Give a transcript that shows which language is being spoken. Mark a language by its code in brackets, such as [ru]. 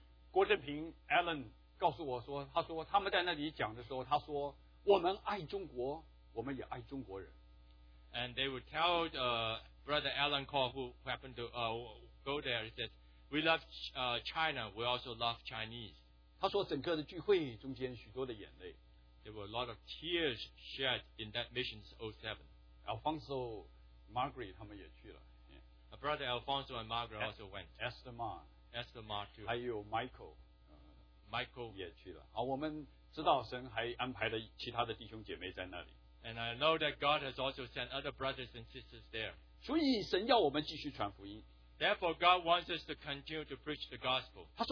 [zh] 郭正平 Alan 告诉我说，他说他们在那里讲的时候，他说我们爱中国，我们也爱中国人。 [en] And they would tell Brother Alan Kaw, who happened to go there, says, "We love China. We also love Chinese." [zh] 他说整个的聚会中间许多的眼泪。 [en] There were a lot of tears shed in that mission 07. [zh] Alfonso, Margaret 他们也去了。 [en] Yeah. Brother Alfonso and Margaret also went. Esther Ma. Esther Ma too. [zh] 还有 Michael。 [en] Michael [zh] 也去了。我们知道神还安排了其他的弟兄姐妹在那里。 [en] And I know that God has also sent other brothers and sisters there. [zh] 所以神要我们继续传福音。 [en] Therefore God wants us to continue to preach the gospel.